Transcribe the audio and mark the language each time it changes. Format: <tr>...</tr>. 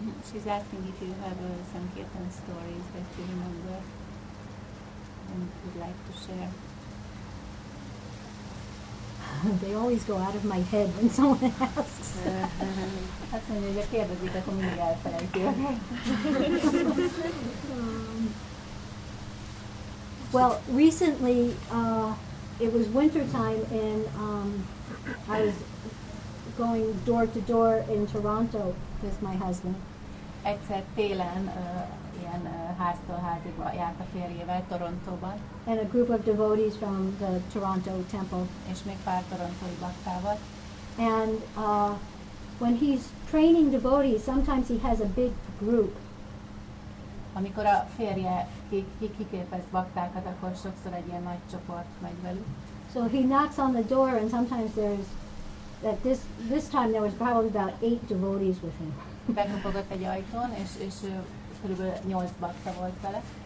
<en>She's asking if you have some kirtan stories that you remember and would like to share. They always go out of my head when someone asks.</en> <hu>Azt mondja, hogy a kérdezik, akkor mindig elfelejtél.</hu> <en>Well, recently, it was winter time and I was going door to door in Toronto with my husband.</en> <hu>Egyszer télen ilyen háztól házigba járt a férjével Torontóban.</hu> <en>And a group of devotees from the Toronto temple.</en> <hu>És még pár torontói baktával.</hu> <en>And when he's training devotees, sometimes he has a big group.</en> <hu>Amikor a férje kiképez baktákat, akkor sokszor egy ilyen nagy csoport megy velük.</hu> <en>So he knocks on the door and sometimes there's, that this time there was probably about 8 devotees with him.</en> <hu>Bekapogott egy ajtón, és körülbelül 8 bakta volt vele.</hu>